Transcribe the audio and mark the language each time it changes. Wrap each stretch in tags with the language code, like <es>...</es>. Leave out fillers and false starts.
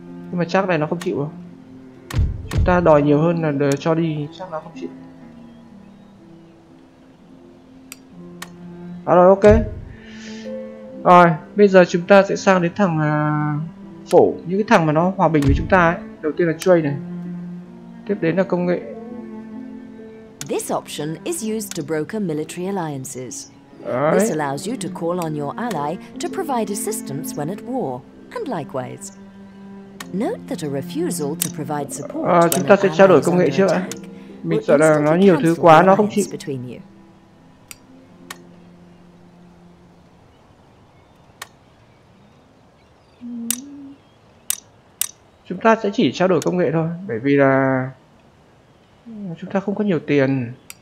<vi>Nhưng mà chắc này nó không chịu đâu. Chúng ta đòi nhiều hơn là cho đi, chắc nó không chịu. À rồi, ok. Rồi, bây giờ chúng ta sẽ sang đến thằng phổ, những cái thằng mà nó hòa bình với chúng ta ấy. Đầu tiên là trade này. Tiếp đến là công nghệ.</vi> <en>This option is used to broker military alliances. Đấy. This allows you to call on your ally to provide assistance when at war and likewise. Note that a refusal to provide support.</en> <vi>Chúng ta sẽ trao đổi công nghệ trước ạ. Mình sợ là nó nhiều thứ quá nó không chịu. Chúng ta sẽ chỉ trao đổi công nghệ thôi, bởi vì là chúng ta không có nhiều tiền.</vi>